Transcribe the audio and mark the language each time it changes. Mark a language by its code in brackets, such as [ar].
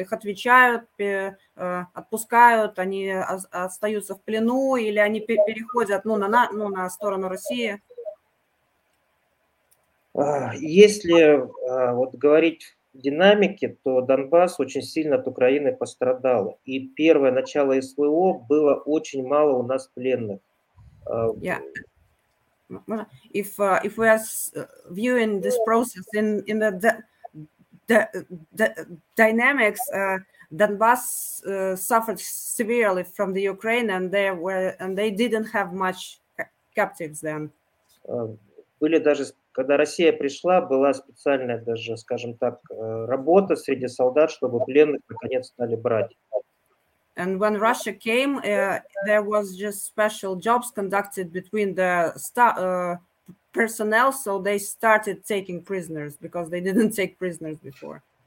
[ru] Их отвечают, отпускают, они остаются в плену, или они переходят, ну, на сторону России? Если вот говорить в динамике, то Донбасс очень сильно от Украины пострадал. И первое начало СВО было очень мало у нас пленных. [en] Yeah. If we are viewing this process in the dynamics, Donbass suffered severely from the Ukraine, and they didn't have much captives then. [ru] Были даже, когда Россия пришла, была специальная даже, скажем так, работа среди солдат, чтобы пленных наконец стали брать. [en] And when Russia came, there was just special jobs conducted between the personnel, so they started taking prisoners, because they didn't take prisoners before.